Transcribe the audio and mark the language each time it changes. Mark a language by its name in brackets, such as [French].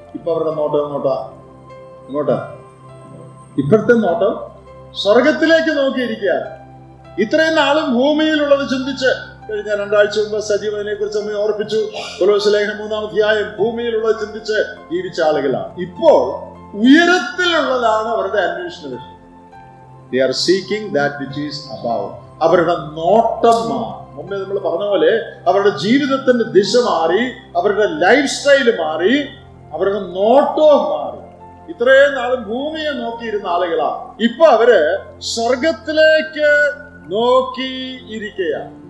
[Malayalam] ഇപ്പൊ അവരുടെ നോട്ടം എങ്ങോട്ടാ? എങ്ങോട്ടാ? ഇപ്പോഴത്തെ നോട്ടം സ്വർഗത്തിലേക്ക് നോക്കിയിരിക്കുക. ഇത്രയും നാളും ഭൂമിയിലുള്ളത് ചിന്തിച്ച് കഴിഞ്ഞ രണ്ടാഴ്ച മുമ്പ് സജീവനെ കുറിച്ച് നമ്മെ ഓർപ്പിച്ചു. കൊലോസ്യ ലേഖനം 3-ാം അധ്യായം, ഭൂമിയിലുള്ളത് ചിന്തിച്ച് ജീവിച്ച ആളുകളാണ്. ഇപ്പോൾ ഉയരത്തിലുള്ളതാണ് അവരുടെ അന്വേഷണ വിഷയം. [English] They are seeking that which is above. [Malayalam] അവരുടെ നോട്ടം മാറി. മുമ്പേ നമ്മൾ പറഞ്ഞ പോലെ അവരുടെ ജീവിതത്തിന്റെ ദിശ മാറി, അവരുടെ ലൈഫ് സ്റ്റൈല് മാറി, അവരുടെ നോട്ടവും മാറി. ഇത്രയും നാളും ഭൂമിയെ നോക്കിയിരുന്ന ആളുകളാ, ഇപ്പൊ അവര് സ്വർഗത്തിലേക്ക് നോക്കിയിരിക്കുകയാ.